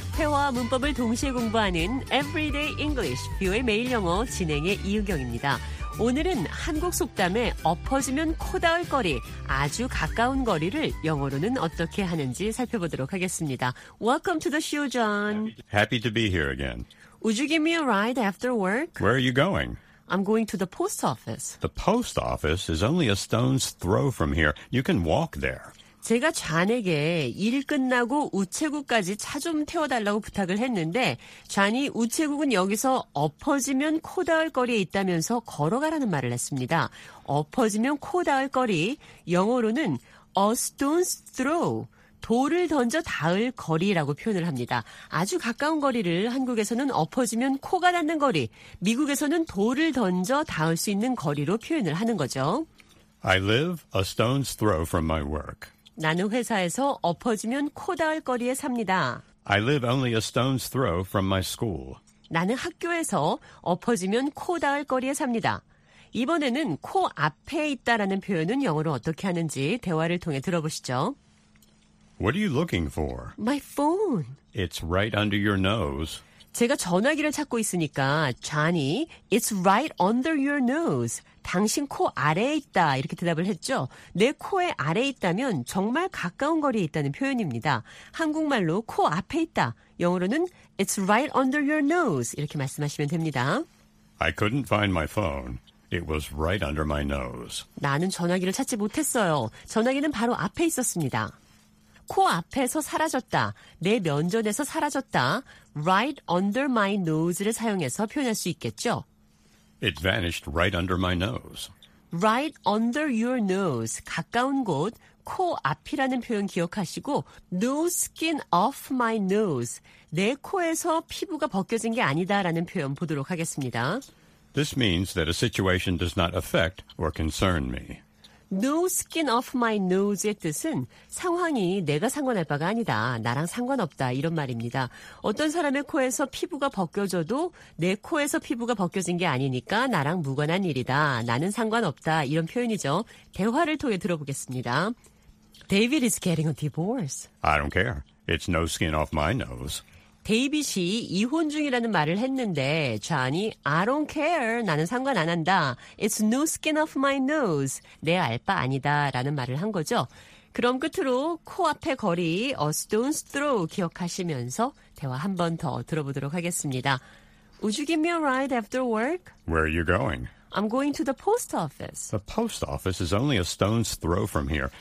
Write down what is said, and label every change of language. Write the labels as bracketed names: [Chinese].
[Korean] 회화와 문법을 동시에 공부하는 Everyday English, 뷰의 매일 영어 진행의 이은경입니다. 오늘은 한국 속담에 엎어지면 코 닿을 거리, 아주 가까운 거리를 영어로는 어떻게 하는지 살펴보도록 하겠습니다. [English] Welcome to the show, John. Happy to be here again. Would you give me a ride after work? Where are you going? I'm going to the post office. The post office is only a stone's throw from here. You can walk there. [Korean] 제가 잔에게 일 끝나고 우체국까지 차 좀 태워달라고 부탁을 했는데 잔이 우체국은 여기서 엎어지면 코 닿을 거리에 있다면서 걸어가라는 말을 했습니다. 엎어지면 코 닿을 거리, 영어로는 [English] a stone's throw, [Korean] 돌을 던져 닿을 거리라고 표현을 합니다. 아주 가까운 거리를 한국에서는 엎어지면 코가 닿는 거리, 미국에서는 돌을 던져 닿을 수 있는 거리로 표현을 하는 거죠. [English] I live a stone's throw from my work. [Korean] 나는 회사에서 엎어지면 코 닿을 거리에 삽니다. [English] I live only a stone's throw from my school. [Korean] 나는 학교에서 엎어지면 코 닿을 거리에 삽니다. 이번에는 코 앞에 있다라는 표현은 영어로 어떻게 하는지 대화를 통해 들어보시죠. [English] What are you looking for? My phone. It's right under your nose. [Korean] 제가 전화기를 찾고 있으니까 [English] Johnny, it's right under your nose. [Korean] 당신 코 아래에 있다 이렇게 대답을 했죠. 내 코에 아래에 있다면 정말 가까운 거리에 있다는 표현입니다. 한국말로 코 앞에 있다. 영어로는 [English] it's right under your nose [Korean] 이렇게 말씀하시면 됩니다. [English] I couldn't find my phone. It was right under my nose. [Korean] 나는 전화기를 찾지 못했어요. 전화기는 바로 앞에 있었습니다. 코 앞에서 사라졌다. 내 면전에서 사라졌다. [English] Right under my nose [Korean] 를 사용해서 표현할 수 있겠죠. [English] It vanished right under my nose. right under your nose, [Korean] 가까운 곳, 코 앞이라는 표현 기억하시고, [English] no skin off my nose, [Korean] 내 코에서 피부가 벗겨진 게 아니다라는 표현 보도록 하겠습니다. [English] This means that a situation does not affect or concern me. No skin off my nose [Korean] 의 뜻은 상황이 내가 상관할 바가 아니다. 나랑 상관없다. 이런 말입니다. 어떤 사람의 코에서 피부가 벗겨져도 내 코에서 피부가 벗겨진 게 아니니까 나랑 무관한 일이다. 나는 상관없다. 이런 표현이죠. 대화를 통해 들어보겠습니다. [English] David is getting a divorce. I don't care. It's no skin off my nose. [Korean] 데이빗이 이혼 중이라는 말을 했는데 존이 [English] I don't care, [Korean] 나는 상관 안 한다. [English] It's no skin off my nose, [Korean] 내 알바 아니다 라는 말을 한 거죠. 그럼 끝으로 코앞의 거리, [English] a stone's throw [Korean] 기억하시면서 대화 한 번 더 들어보도록 하겠습니다. [English] Would you give me a ride after work? Where are you going? I'm going to the post office. The post office is only a stone's throw from here.